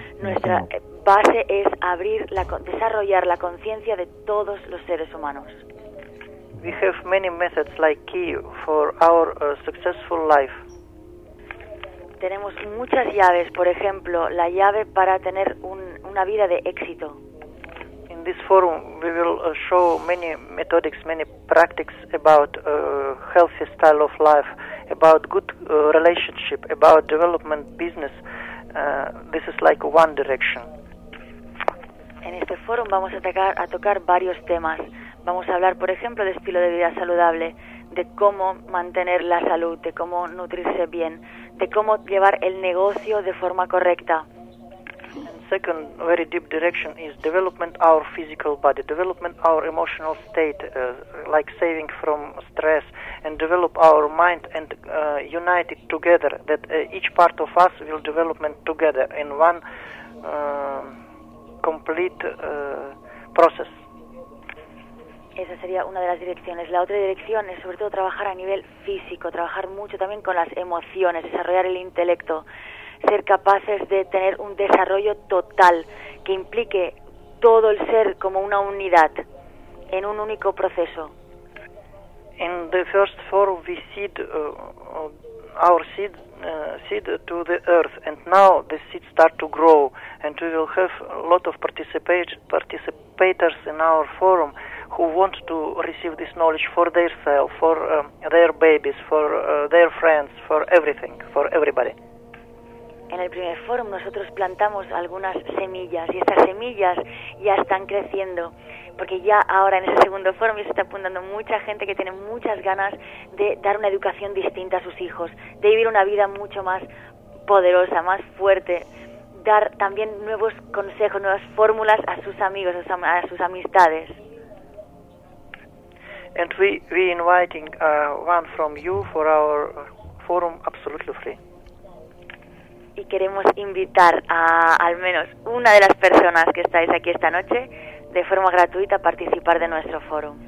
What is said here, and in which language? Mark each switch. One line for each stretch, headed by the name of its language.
Spanish: Nuestra base es abrir la desarrollar la conciencia de todos los seres humanos.
English: We have many methods like key for our successful life.
Spanish: Tenemos muchas llaves, por ejemplo, la llave para tener una vida de éxito.
English: In this forum we will show many methods, many practices about a healthy style of life, about good relationship, about development business. This is like one direction.
Spanish: En este forum vamos a tocar varios temas. Vamos a hablar, por ejemplo, de estilo de vida saludable, de cómo mantener la salud, de cómo nutrirse bien, de cómo llevar el negocio de forma correcta.
English: And second very deep direction is development our physical body, development our emotional state, like saving from stress, and develop our mind and unite it together, that each part of us will develop together in one complete process.
Spanish: Esa sería una de las direcciones. La otra dirección es sobre todo trabajar a nivel físico, trabajar mucho también con las emociones, desarrollar el intelecto, ser capaces de tener un desarrollo total que implique todo el ser como una unidad en un único proceso.
English: In the first forum we seed our seed to the earth, and now the seed start to grow, and we will have a lot of participators in our forum who want to receive this knowledge for their self, for their babies, for their friends, for everything, for everybody.
Spanish: En el primer forum nosotros plantamos algunas semillas, y estas semillas ya están creciendo, porque ya ahora en ese segundo forum ya se está apuntando mucha gente que tiene muchas ganas de dar una educación distinta a sus hijos, de vivir una vida mucho más poderosa, más fuerte, dar también nuevos consejos, nuevas fórmulas a sus amigos, a sus amistades.
English: And we inviting one from you for our forum absolutely free.
Spanish: Y queremos invitar a al menos una de las personas que estáis aquí esta noche de forma gratuita a participar de nuestro foro.